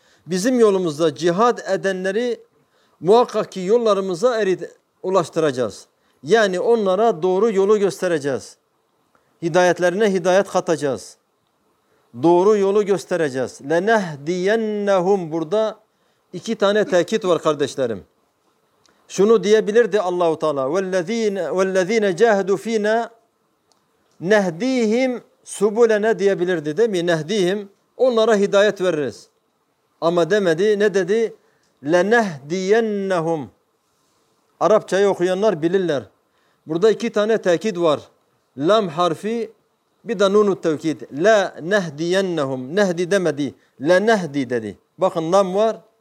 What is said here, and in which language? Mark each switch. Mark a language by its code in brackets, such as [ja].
[tr] Bizim yolumuzda cihad edenleri muhakkak ki yollarımıza ulaştıracağız. Yani onlara doğru yolu göstereceğiz. Hidayetlerine hidayet katacağız. Doğru yolu göstereceğiz. Lenehdiyennahum burada İki tane tekit var kardeşlerim. Şunu diyebilirdi Allah-u Teala. [ar] وَالَّذ۪ينَ جَاهَدُوا ف۪ينَا نَهْد۪يهِمْ سُبُولَنَا diyebilirdi değil mi? [tr] نَهْد۪يهِمْ Onlara hidayet veririz. Ama demedi. Ne dedi? لَنَهْد۪يَنَّهُمْ Arapçayı okuyanlar bilirler. Burada iki tane tekit var. Lam harfi bir de nunu tevkid. لَنَهْد۪يَنَّهُمْ Nehdi demedi. لَنَهْد۪ي dedi. Bakın lam var.